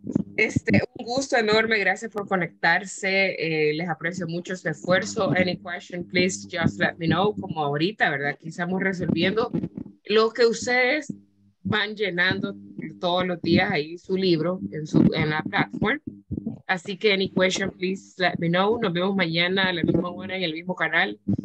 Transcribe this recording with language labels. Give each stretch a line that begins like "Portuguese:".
Spanish: Un gusto enorme. Gracias por conectarse. Les aprecio mucho su esfuerzo.
English: Any question, please just let me know.
Spanish: Como ahorita, ¿verdad? Aquí estamos resolviendo lo que ustedes van llenando todos los días ahí su libro en la plataforma. Así que
English: any question, please let me know.
Spanish: Nos vemos mañana a la misma hora en el mismo canal.